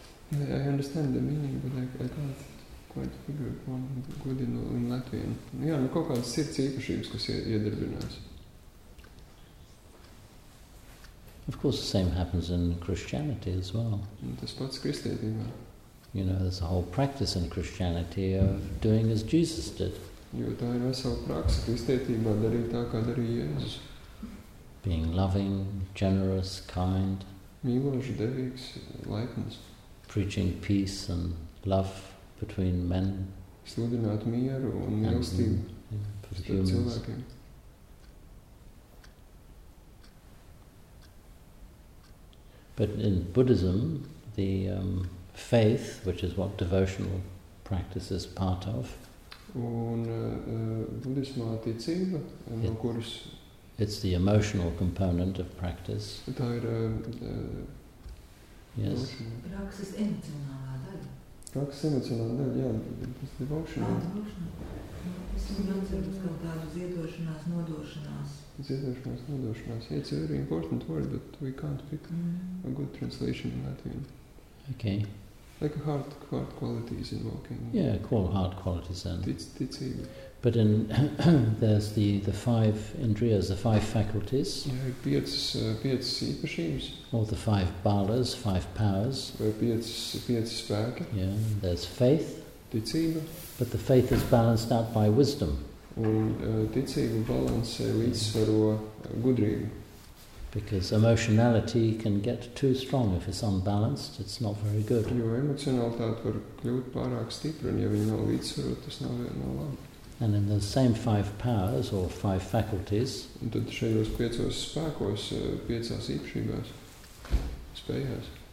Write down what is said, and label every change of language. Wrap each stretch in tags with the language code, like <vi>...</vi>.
<en>Yeah, I understand the meaning, but I can't quite figure one good in Latvian.</en> <lv>Yeah, nu kaut kāds sirds īpašības, kas iedarbinās.</lv> <en>Of course, the same happens in Christianity as well.</en> <lv>Tas pats kristietībā.</lv> <en>You know, there's a whole practice in Christianity of doing as Jesus did.</en> <lv>Jo tā ir vesela praksa kristietībā darīt tā, kā darīja Jēzus.</lv> <en>Being loving, generous, kind.</en> <lv>Mīloši, devīgs, laipnis.</lv> <en>Preaching peace and love between men.</en> <lv>Sludināt mieru un mīlestību starp cilvēkiem.</lv> <en>But in Buddhism, the faith, which is what devotional practice is part of,</en> <lv>un budismā ticība, no kuras</lv> <en>it's the emotional component of practice.</en> <lv>Tā ir prakses emocionālā daļa. Prakses emocionālā daļa, jā, tas ir devotional. Es domāju, ka tādu ziedošanās, nodošanās. Ziedošanās, nodošanās.</lv> <en>It's a very important word, but we can't pick a good translation in Latvian. Okay. Like heart qualities invoking. Yeah, call heart qualities then.</en> <lv>Ticība.</lv> <en>But in there's the five indriyas, the five faculties.</en> <lv>Yeah, piecas īpašības.</lv> <en>Or the five balas, five powers.</en> <lv>Vai piecas spēka.</lv> <en>Yeah, there's faith.</en> <lv>Ticība.</lv> <en>But the faith is balanced out by wisdom.</en> <lv>Un ticība balansē līdzsvaro gudrību.</lv> <en>Because emotionality can get too strong if it's unbalanced, it's not very good.</en> <lv>Jo emocionalitāte var kļūt pārāk stipra, un ja viņa nav līdzsvarota, tas nav labi.</lv> <en>And in the same five powers or five faculties,</en> <lv>un tad šajos piecos spēkos, piecās īpašībās, spējās,</lv>